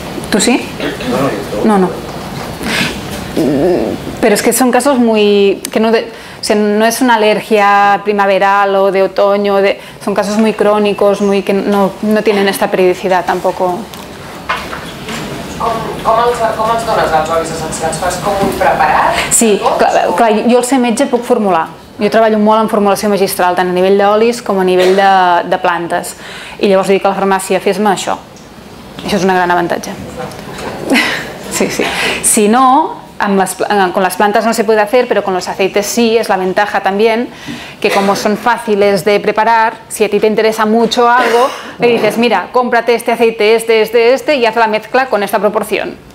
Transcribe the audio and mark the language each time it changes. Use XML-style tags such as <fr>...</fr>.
<es>¿Tú sí? No. Pero es que son casos muy que no de, o sea, no es una alergia primaveral o de otoño, de, son casos muy crónicos, muy que no tienen esta periodicidad tampoco.</es> <ca>¿Com els dones els olis essencials? Fas com un preparat? Sí, clar, jo el ser metge puc formular. Jo treballo molt en formulació magistral, tant a nivell d'olis com a nivell de plantes. I llavors dic a la farmàcia, fes-me això. Això és un gran avantatge. Sí.</ca> <es>Si no, con las plantas no se puede hacer, pero con los aceites sí, es la ventaja también, que como son fáciles de preparar, si a ti te interesa mucho algo, le dices, mira, cómprate este aceite, este, y haz la mezcla con esta proporción.</es>